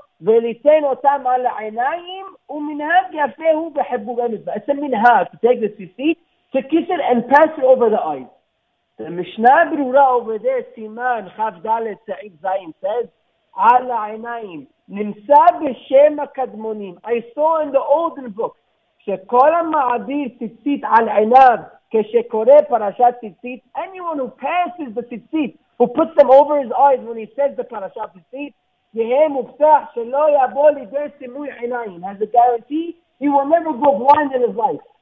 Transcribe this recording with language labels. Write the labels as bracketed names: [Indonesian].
[Hebrew] וליתן אותם על העיניים, ומנהג יפה הוא בחיבור המצווה. [English] It's a minhag to take the seat, to kiss it and pass it over the eyes. [Hebrew] The משנה ברורה [English] over there, [Hebrew] סימן, חף דלת, סעיף זיים, [English] says, [Hebrew] על העיניים, נמצא בשם הקדמונים. [English] I saw in the olden book, [Hebrew] שכל המעביר ציצית על עיניו, כשקורא פרשת ציצית, [English] anyone who passes the ציצית, who puts them over his eyes when he says the פרשת ציצית, has a guarantee he will never go blind in his life.